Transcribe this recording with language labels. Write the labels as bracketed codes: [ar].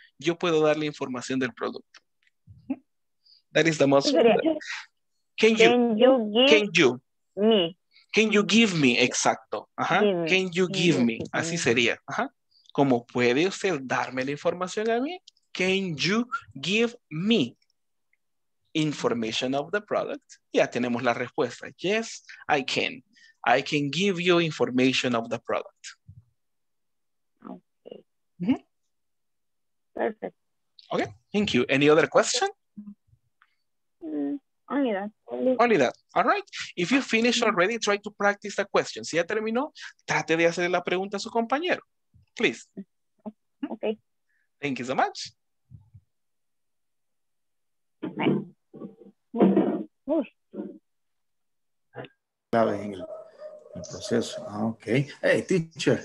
[es] Yo puedo darle información del producto. [en] That is the most... Can you give me, exacto. Ajá. Can you give me, [es] así sería. [en] Ajá. [es] ¿Cómo puede usted darme la información a mí? [en] Can you give me information of the product? [es] Ya tenemos la respuesta. [en] Yes, I can. I can give you information of the product. Okay. Mm-hmm. Perfect. Okay, thank you. Any other question? Only that. All right. If you finish already, try to practice the question. [es] Si ya terminó, trate de hacer la pregunta a su compañero. [en] Please. Okay. Thank you so much. Okay. [es] Clave en el proceso. Okay. [en] Hey, teacher.